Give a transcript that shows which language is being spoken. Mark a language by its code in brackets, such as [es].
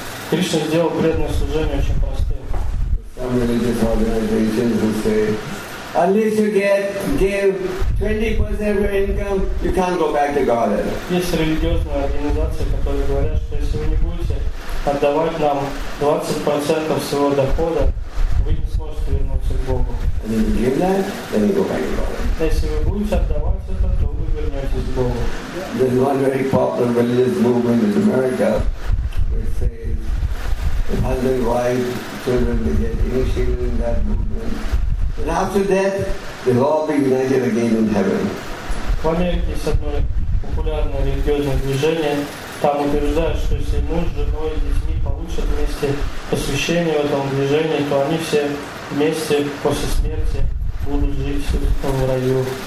[ru] Кришна сделал преданное служение очень простым. [en] Unless you give 20% of your income, you can't go back to Godhead. [ru] Есть религиозные организации, которые говорят, что если вы не будете отдавать нам 20% своего дохода, вы не сможете вернуться к Богу. [en] And if you give that, then you go back to Godhead. [ru] Если вы будете отдавать это, то вы вернетесь к Богу. [en] There's one very popular religious movement in America which says if husband and wife, children will get initiated in that movement. And after death, they'll all be united again in heaven. [ru] В Америке есть одно популярное религиозное движение. Там утверждают, что если муж с женой и детьми получат вместе посвящение в этом движении, то они все вместе после смерти будут жить в раю.